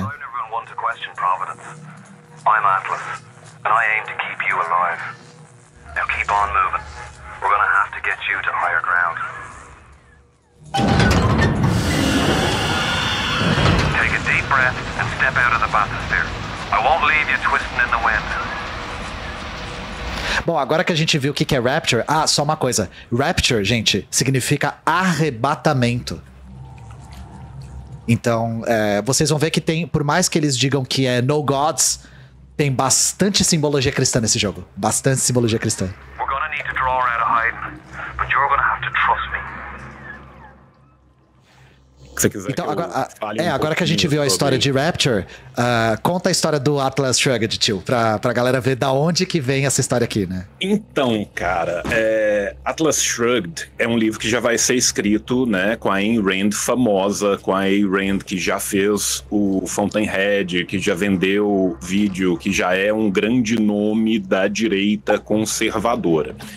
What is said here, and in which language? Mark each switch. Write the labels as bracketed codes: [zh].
[en] I'm Atlas, and I aim to keep you alive. Now keep on moving. We're gonna have to get you to higher ground. Take a deep breath and step out of the bathysphere. I won't leave you twisting in the wind. [pt] Bom, agora que a gente viu o que é Rapture... Ah, só uma coisa. Rapture, gente, significa arrebatamento. Então, é, vocês vão ver que tem, por mais que eles digam que é [en] no gods, [pt] tem bastante simbologia cristã nesse jogo. Bastante simbologia cristã. [en] We're gonna need to draw her out of hiding, but you're gonna have to trust me. [pt] que você quiser. Então, agora, agora que a gente viu a história de Rapture, conta a história do Atlas Shrugged, tio, pra galera ver da onde que vem essa história aqui, né? Então, cara, Atlas Shrugged é um livro que já vai ser escrito, né, com a Ayn Rand famosa, com a Ayn Rand que já fez o Fountainhead, que já vendeu vídeo, que já é um grande nome da direita conservadora.